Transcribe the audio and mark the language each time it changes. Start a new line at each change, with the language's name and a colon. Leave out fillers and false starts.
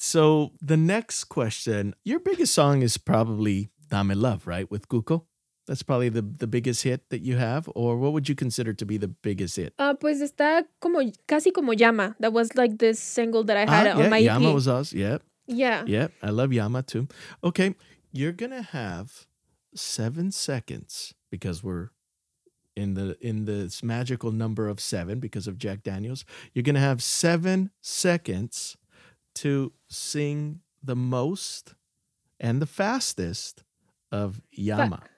English: So the next question, your biggest song is probably Dame Love, right? With Cuco. That's probably the biggest hit that you have. Or what would you consider to be the biggest hit?
Spanish: Pues está como, casi como Llama.
English: That was like this single that I had on my Llama EP. Llama was awesome. Yeah. Yeah. Yeah. I love Llama too. Okay. You're going to have 7 seconds because we're in this magical number of 7 because of Jack Daniels. You're going to have 7 seconds to sing the most and the fastest of Llama.